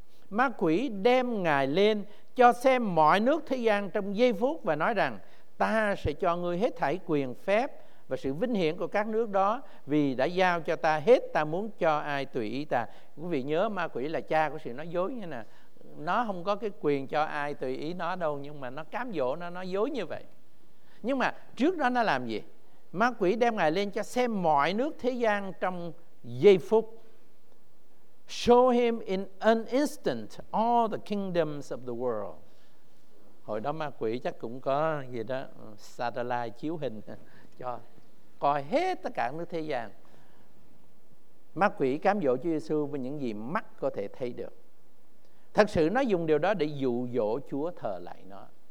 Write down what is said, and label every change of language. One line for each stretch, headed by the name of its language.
Vietnamese: Ma quỷ đem ngài lên cho xem mọi nước thế gian trong giây phút và nói rằng: ta sẽ cho ngươi hết thảy quyền phép và sự vinh hiển của các nước đó, vì đã giao cho ta hết, ta muốn cho ai tùy ý ta. Quý vị nhớ ma quỷ là cha của sự nói dối như nè. Nó không có cái quyền cho ai tùy ý nó đâu, nhưng mà nó cám dỗ nó nói dối như vậy. Nhưng mà trước đó nó làm gì? Ma quỷ đem ngài lên cho xem mọi nước thế gian trong giây phút.
English: Show him in an instant all the kingdoms of the world.
Vietnamese: Hồi đó ma quỷ chắc cũng có gì đó satellite chiếu hình cho coi hết tất cả nước thế gian. Ma quỷ cám dỗ Chúa Giêsu với những gì mắt có thể thấy được. Thật sự nó dùng điều đó để dụ dỗ Chúa thờ lại nó.